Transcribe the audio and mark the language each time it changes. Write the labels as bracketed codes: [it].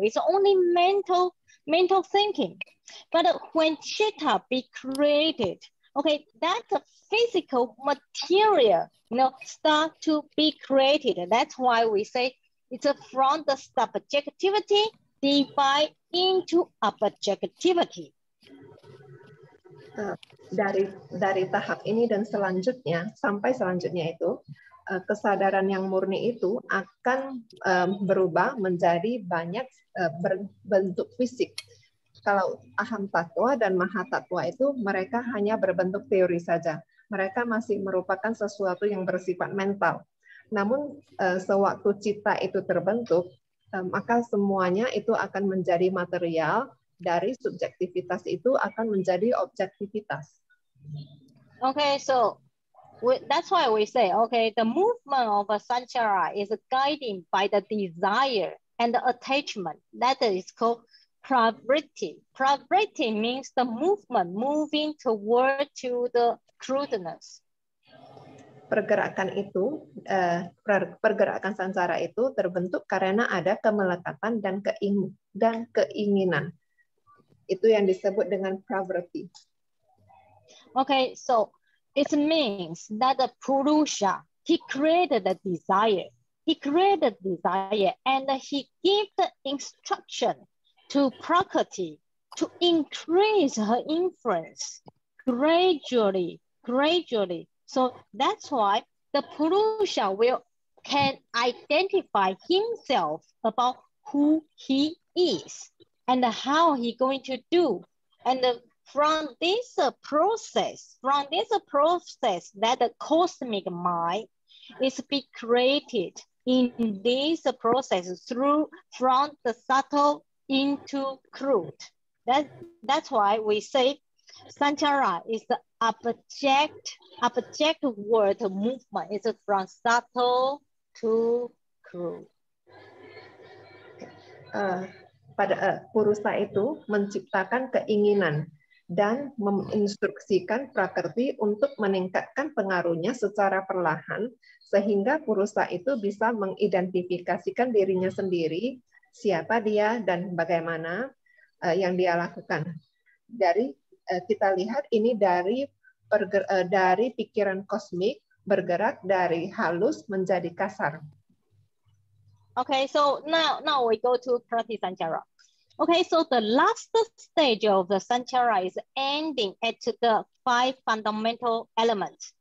[en] It's only mental thinking. But when citta be created, okay, that's a physical material, you know, start to be created. That's why we say it's from the subjectivity divide into objectivity. [id] Dari tahap ini dan selanjutnya, sampai selanjutnya itu, kesadaran yang murni itu akan berubah menjadi banyak berbentuk fisik. Kalau aham tatwa dan maha tatwa itu, mereka hanya berbentuk teori saja. Mereka masih merupakan sesuatu yang bersifat mental. Namun, sewaktu citta itu terbentuk, maka semuanya itu akan menjadi material. Dari subjektivitas itu akan menjadi objektivitas. [en] Okay, so that's why we say, okay, the movement of a sanchara is guided by the desire and the attachment. That is called pravritti. Pravritti means the movement moving toward to the crudeness. [id] Pergerakan itu, pergerakan sanchara itu terbentuk karena ada kemelekatan dan keinginan. Itu yang disebut dengan pravritti. [en] Okay, so it means that the Purusha, he created the desire. He created the desire and he gave the instruction to Prakriti to increase her influence gradually. So that's why the Purusha can identify himself about who he is. And how he going to do? And from this process, that the cosmic mind is be created in this process through from the subtle into crude. That's why we say sanchara is the object world movement. It's from subtle to crude. [id] Pada Purusa itu menciptakan keinginan dan menginstruksikan Prakriti untuk meningkatkan pengaruhnya secara perlahan sehingga Purusa itu bisa mengidentifikasikan dirinya sendiri, siapa dia dan bagaimana yang dia lakukan. Dari kita lihat ini dari pikiran kosmik bergerak dari halus menjadi kasar. [en] Okay, so now we go to Prakriti Sanchara. Okay, so the last stage of the sanchara is ending at the five fundamental elements.